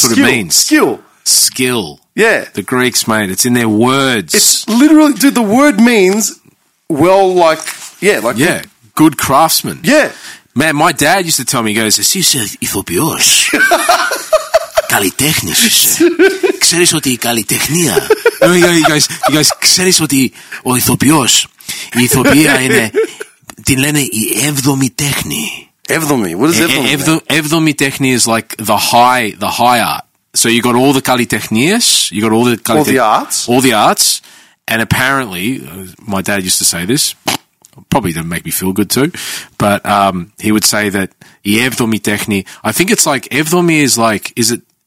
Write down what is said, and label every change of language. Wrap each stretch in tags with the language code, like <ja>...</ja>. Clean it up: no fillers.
<en>skill. What it means. Skill. Yeah. The Greeks, mate, it's in their words. It's literally, dude, the word means, well, like, yeah. Like yeah, the, good craftsman. Yeah. Man, my dad used to tell me, he goes,</en> <el>εσύ είσαι ηθοποιός. Καλλιτέχνης είσαι. Ξέρεις ότι η καλλιτεχνία...</el> <en>You guys,</en> <el>ξέρεις ότι ο ηθοποιός, η ηθοποιία είναι, την λένε η έβδομη τέχνη.</el> <en>Έβδομη, what is έβδομη? Έβδομη τέχνη is like the high art. So you got all the καλλιτεχνίες, you got all the... All the arts. And apparently, my dad used to say this, probably didn't make me feel good too, but he would say that η έβδομη τέχνη, I think it's like, έβδομη is like, is it?</en>